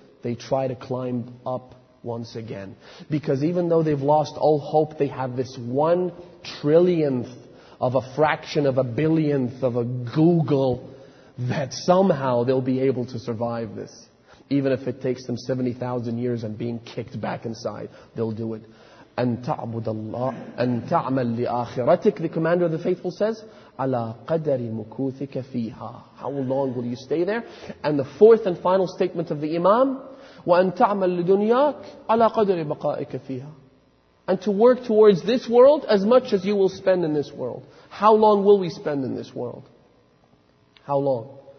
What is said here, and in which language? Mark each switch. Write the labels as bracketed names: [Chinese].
[English] They try to climb up once again. Because even though they've lost all hope, they have this one trillionth of a fraction of a billionth of a Google that somehow they'll be able to survive this. Even if it takes them 70,000 years and being kicked back inside, they'll do it. [Arabic] أَن تَعْمَلْ لِآخِرَتِكَ, [English] the commander of the faithful says, [Arabic] عَلَىٰ قَدَرِ مُكُوثِكَ فِيهَا. [English] How long will you stay there? And the fourth and final statement of the imam, [Arabic] وَأَن تَعْمَلْ لِدُنْيَاكَ عَلَىٰ قَدَرِ بَقَائِكَ فِيهَا. [English] And to work towards this world as much as you will spend in this world. How long will we spend in this world? How long?